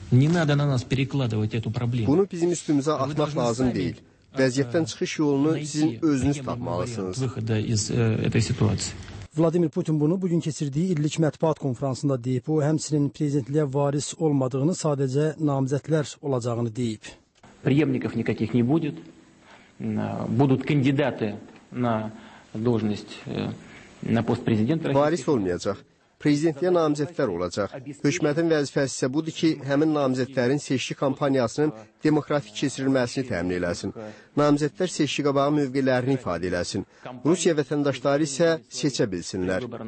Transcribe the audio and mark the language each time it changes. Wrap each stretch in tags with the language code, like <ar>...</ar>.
<az>Bunu bizim üstümüzə atmaq lazım deyil. Vəziyyətdən çıxış yolunu sizin özünüz tapmalısınız. Vladimir Putin bunu bugün keçirdiyi illik mətbuat konfransında deyib. O, həmsinin prezidentliyə varis olmadığını, sadəcə namizədlər olacağını deyib.</az> <ru>Приемников никаких не будет. Будут кандидаты на должность на пост президента.</ru> <az>Varis olmayacaq. Prezidentliyə namizədlər olacaq. Hökumətin vəzifəsi isə budur ki, həmin namizədlərin seçki kampaniyasının demokratik keçirilməsini təmin eləsin. Namizədlər seçki qabağı mövqelərini ifadə eləsin. Rusiya vətəndaşları isə seçə bilsinlər.</az>